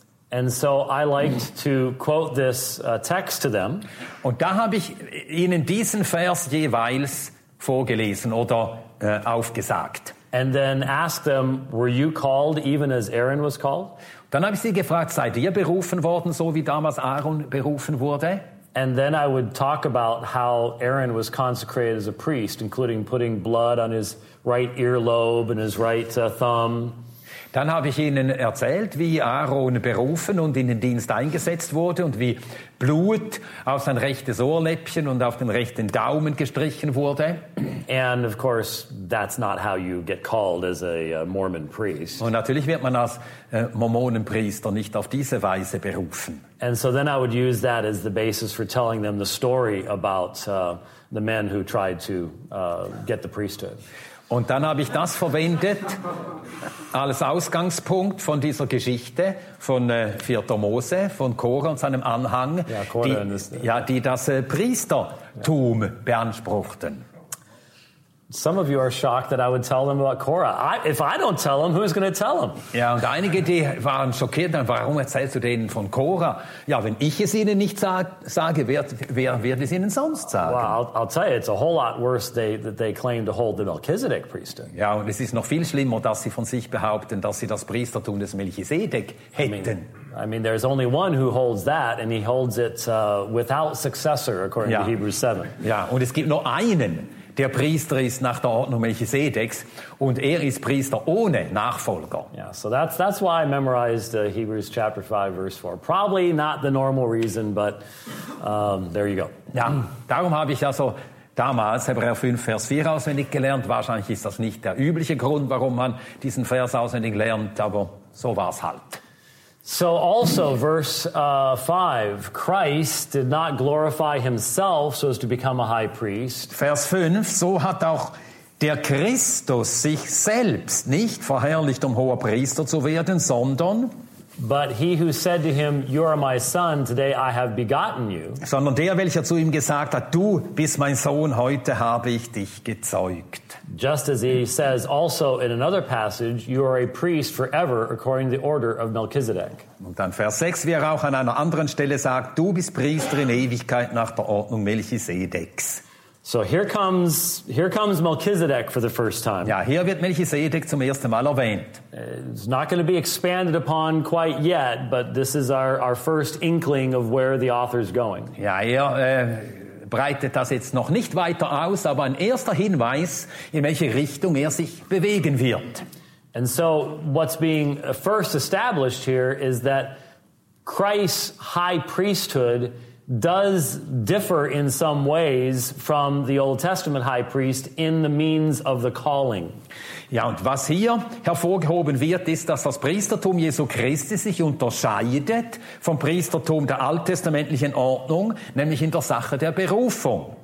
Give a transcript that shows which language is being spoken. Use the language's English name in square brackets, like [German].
[English] And so I liked to quote this text to them. [German] Und da habe ich ihnen diesen Vers jeweils vorgelesen oder aufgesagt. [English] And then asked them, were you called even as Aaron was called? [German] Dann habe ich sie gefragt, seid ihr berufen worden, so wie damals Aaron berufen wurde? [English] And then I would talk about how Aaron was consecrated as a priest, including putting blood on his right earlobe and his right thumb. [German] Dann habe ich ihnen erzählt, wie Aaron berufen und in den Dienst eingesetzt wurde und wie Blut auf sein rechtes Ohrläppchen und auf den rechten Daumen gestrichen wurde. [English] And of course, that's not how you get called as a Mormon priest. [German] Und natürlich wird man als Mormonenpriester nicht auf diese Weise berufen. [English] And so then I would use that as the basis for telling them the story about the men who tried to get the priesthood. [German] Und dann habe ich das verwendet als Ausgangspunkt von dieser Geschichte von 4. Mose, von Korah und seinem Anhang, die das Priestertum beanspruchten. [English] Some of you are shocked that I would tell them about Korah. If I don't tell them, who's going to tell them? [German] Ja, und einige, die waren schockiert, dann warum erzählst du denen von Korah? Ja, wenn ich es ihnen nicht sage, wer wird es ihnen sonst sagen? [English] Well, I'll tell you, it's a whole lot worse that they claim to hold the Melchizedek priesthood. [German] Ja, und es ist noch viel schlimmer, dass sie von sich behaupten, dass sie das Priestertum des Melchisedek hätten. [English] I mean, there's only one who holds that, and he holds it without successor, according to Hebrews 7. [German] Ja, und es gibt nur einen, der Priester ist nach der Ordnung Melchisedeks und er ist Priester ohne Nachfolger. [English] Yeah, so that's why I memorized Hebrews chapter 5 verse 4. Probably not the normal reason, but there you go. [German] Ja, darum habe ich also damals Hebräer 5 Vers 4 auswendig gelernt. Wahrscheinlich ist das nicht der übliche Grund, warum man diesen Vers auswendig lernt, aber so war es halt. [English] So also verse 5, Christ did not glorify himself so as to become a high priest. [German] Vers 5, so hat auch der Christus sich selbst nicht verherrlicht, um hoher Priester zu werden, sondern [English] but he who said to him, you are my son, today I have begotten you. [German] Sondern der, welcher zu ihm gesagt hat, du bist mein Sohn, heute habe ich dich gezeugt. [English] Just as he says also in another passage, you are a priest forever according to the order of Melchizedek. [German] Und dann Vers 6, wie er auch an einer anderen Stelle sagt, du bist Priester in Ewigkeit nach der Ordnung Melchisedeks. [English] So here comes Melchizedek for the first time. [German] Ja, hier wird Melchisedek zum ersten Mal erwähnt. [English] It's not going to be expanded upon quite yet, but this is our first inkling of where the author is going. [German] Ja, er breitet das jetzt noch nicht weiter aus, aber ein erster Hinweis, in welche Richtung er sich bewegen wird. [English] And so what's being first established here is that Christ's high priesthood does differ in some ways from the Old Testament high priest in the means of the calling. [German] Ja, und was hier hervorgehoben wird, ist, dass das Priestertum Jesu Christi sich unterscheidet vom Priestertum der alttestamentlichen Ordnung, nämlich in der Sache der Berufung.